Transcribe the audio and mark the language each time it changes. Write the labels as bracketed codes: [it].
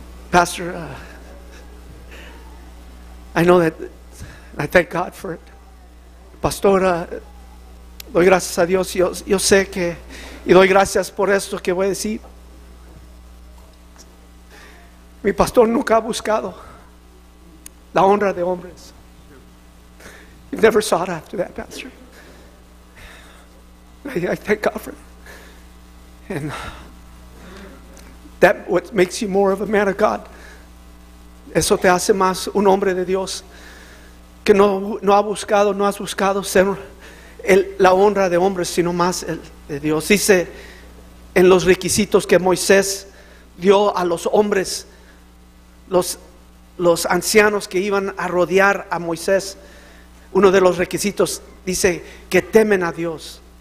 [en] Pastor, I know that I thank God for it. [es] Pastora, doy gracias a Dios. Yo sé que, y doy gracias por esto que voy a decir. Mi pastor nunca ha buscado la honra de hombres. [en] He never sought after that, Pastor. I thank God for it. And that what makes you more of a man of God. [es] Eso te hace más un hombre de Dios, que no has buscado ser la honra de hombres, sino más el de Dios. Dice en los requisitos que Moisés dio a los hombres, los ancianos que iban a rodear a Moisés, uno de los requisitos dice que temen a Dios.